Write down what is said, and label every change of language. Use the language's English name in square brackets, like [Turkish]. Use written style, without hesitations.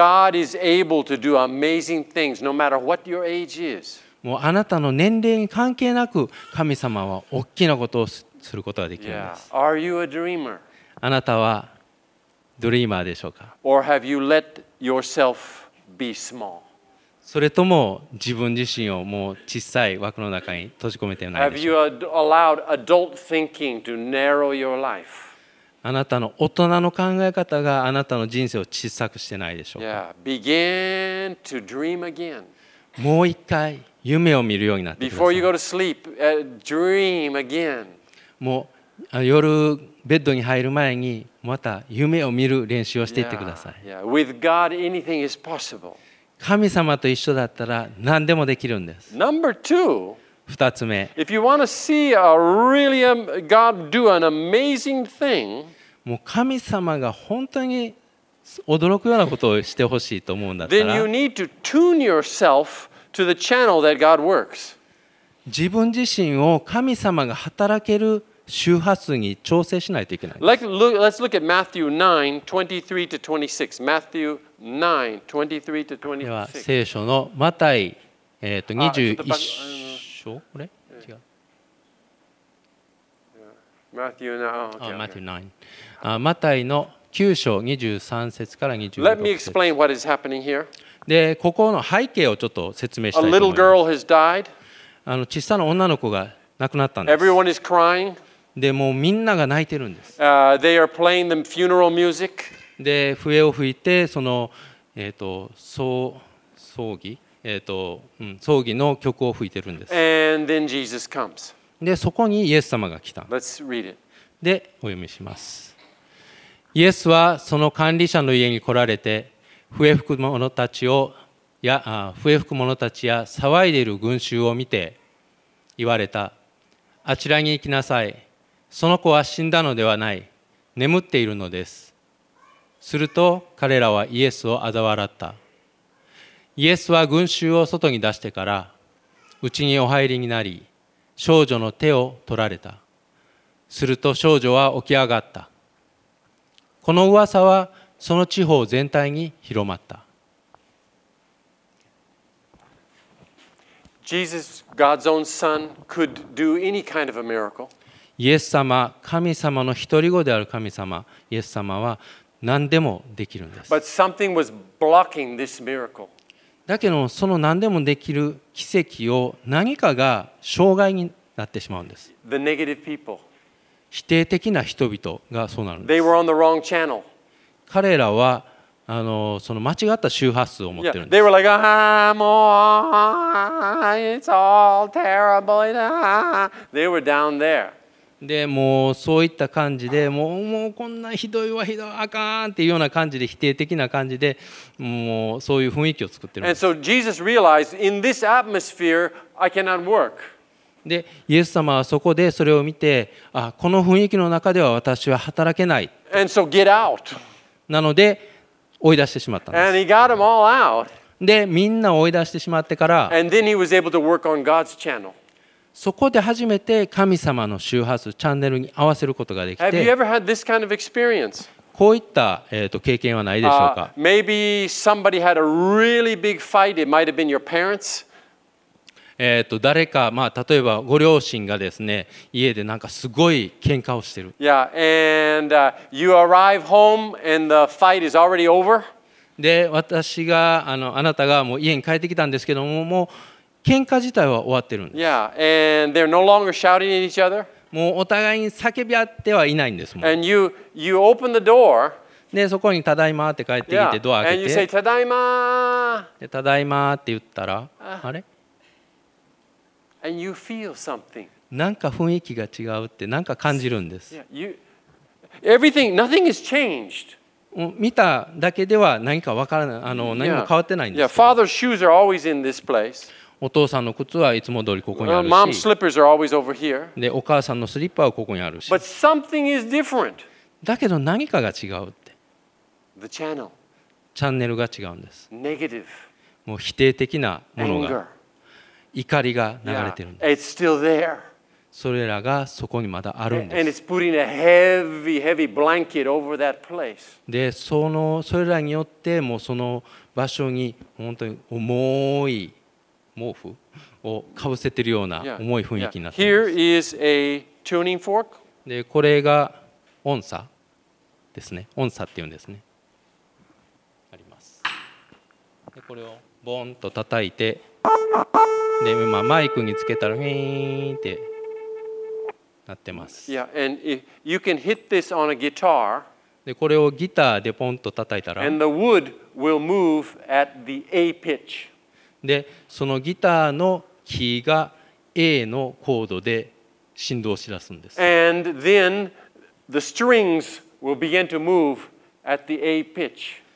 [English] And God is able to do amazing things no matter what your age is. [Japanese] もうあなたの年齢に関係なく神様は大きなことをすることができるんです。 [English] Yeah. Are you a dreamer? [Japanese] あなたはドリーマーでしょうか。 [English] Or have you let yourself be small? [Japanese] それとも自分自身をもう小さい枠の中に閉じ込めてないでしょうか。 [English] Have you allowed adult thinking to narrow your life? [Japanese] あなたの大人の考え方があなたの人生を小さくしてないでしょうか。 [English] Yeah, begin to dream again. [Japanese] もう一回夢を見るようになってください [English] Before you go to sleep, dream again. [Japanese] もう夜ベッドに入る前にまた夢を見る練習をしていってください。 [English] Yeah, yeah. With God, anything is possible. [Japanese] 神様と一緒だったら何でもできるんです。 [English] Number two, [Japanese] 二つ目。 [English] If you want to see a really God do an amazing thing, [Japanese] もう神様が本当に驚くようなことをしてほしいと思うんだったら、 [English] then you need to tune yourself to the channel that God works. [Japanese] 自分自身を神様が働ける周波数に調整しないといけないんです。 [English] Let's look at Matthew 9:23 to 26. Matthew 9:23 to 26. [Japanese] では聖書のマタイ21章これ違う。 [English] Matthew 9. [Japanese] Matthew 9. マタイの9章23節から26節。 [English] Let me explain what is happening here. [Japanese] でここの背景をちょっと説明したいと思います。 [English] A little girl has died. [Japanese] 小さな女の子が亡くなったんです。 [English] Everyone is crying. [Japanese] でもうみんなが泣いてるんです。 [English] They are playing the funeral music. [Japanese] で笛を吹いてその葬儀葬儀の曲を吹いてるんです。 [English] And then Jesus comes. [Japanese] でそこにイエス様が来た。 [English] Let's read it. [Japanese] でお読みします。イエスはその管理者の家に来られて、笛吹く者たちや騒いでいる群衆を見て言われた。あちらに行きなさい。その子は死んだのではない、眠っているのです。すると彼らはイエスを嘲笑った。イエスは群衆を外に出してから家にお入りになり、少女の手を取られた。すると少女は起き上がった。この噂はその地方全体に広まった。 [English] Jesus, God's own son, could do any kind of a miracle. [Japanese] イエス様、神様の一人子である神様、イエス様は何でもできるんです。 [English] But something was blocking this miracle. [Japanese] だけどその何でもできる奇跡を何かが障害になってしまうんです。 [English] The negative people. [Japanese] 否定的な人々がそうなるんです。 [English] They were on the wrong channel. [Japanese] 彼らはその間違った周波数を持ってるんです。 [English] They were like, it's all terrible. They were down there. [Japanese] で、もうそういった感じで、もうこんなひどいわ、ひどい、あかんっていうような感じで、否定的な感じで、もうそういう雰囲気を作ってるんです。 [English] And so Jesus realized, in this atmosphere, I cannot work. [Japanese] でイエス様はそこでそれを見て、あ、この雰囲気の中では私は働けない。 [English] And so get out. [Japanese] なので追い出してしまったんです。 [English] And he got them all out. [Japanese] でみんな追い出してしまってから、 [English] And then he was able to work on God's channel. [Japanese] そこで初めて神様の周波数チャンネルに合わせることができて、 [English] Have you ever had this kind of experience? [Japanese] こういった、経験はないでしょうか。 [English] Maybe somebody had a really big fight. It might have been your parents. [Japanese] 誰か、例えばご両親がですね、家でなんかすごい喧嘩をしてる。 [English] Yeah, and you arrive home and the fight is already over. [Japanese] で、私が、あなたがもう家に帰ってきたんですけども、もう喧嘩自体は終わってるんです。 [English] Yeah, and they're no longer shouting at each other. [Japanese] もうお互いに叫び合ってはいないんですもん。 [English] And you open the door. [Japanese] でそこにただいまって帰ってきて、ドア開けて。 [English] And you say, [Japanese] ただいま。で、ただいまって言ったら、あれ? [English] And you feel something. [Japanese] なんか雰囲気が違うってなんか感じるんです。 [English] Yeah, everything, nothing has changed. [Japanese] 見ただけでは何かわからない、何も変わってないんです。 [English] Yeah, father's shoes are always in this place. [Japanese] お父さんの靴はいつも通りここにあるし。 [English] Mom's slippers are always over here. [Japanese] でお母さんのスリッパはここにあるし。 [English] But something is different. [Japanese] だけど何かが違うって。 [English] The channel. [Japanese] チャンネルが違うんです。 [English] Negative. [Japanese] もう否定的なものが。 [English] Anger. [Japanese] 怒りが流れてるんです。 [English] Yeah, it's still there. [Japanese] それらがそこにまだあるんです。 [English] And it's putting a heavy, heavy blanket over that place. [Japanese] で、それらによってもうその場所に本当に重い毛布をかぶせてるような重い雰囲気になっています。 [English] Yeah, yeah. Here is a tuning fork. [Japanese] で、これが音叉ですね。音叉って言うんですね。あります。で、これをボンと叩いて。で今マイクにつけたらウィーンってなってます。 [English] Yeah, and you can hit this on a guitar. [Japanese] でこれをギターでポンと叩いたら。 [English] And the wood will move at the A pitch. [Japanese] でそのギターのキーが A のコードで振動し出すんです。 [English] And then the strings will begin to move at the A pitch.